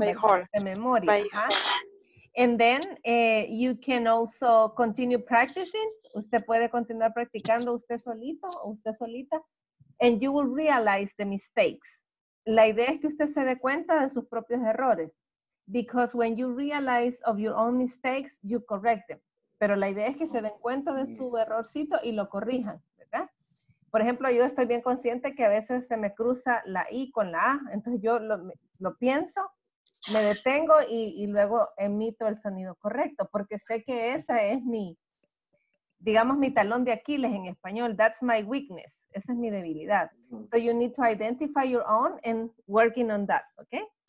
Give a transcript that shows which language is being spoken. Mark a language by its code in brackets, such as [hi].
[en] by heart. [es] De memoria. [en] By heart. And then you can also continue practicing. [es] Usted puede continuar practicando usted solito o usted solita. [en] And you will realize the mistakes. [es] La idea es que usted se dé cuenta de sus propios errores. [en] Because when you realize of your own mistakes, you correct them. [es] Pero la idea es que se den cuenta de su errorcito y lo corrijan, ¿verdad? Por ejemplo, yo estoy bien consciente que a veces se me cruza la I con la A. Entonces yo lo pienso. Me detengo y luego emito el sonido correcto, porque sé que esa es mi, digamos, mi talón de Aquiles en español. [en] That's my weakness. [es] Esa es mi debilidad. [en] So you need to identify your own and working on that, okay?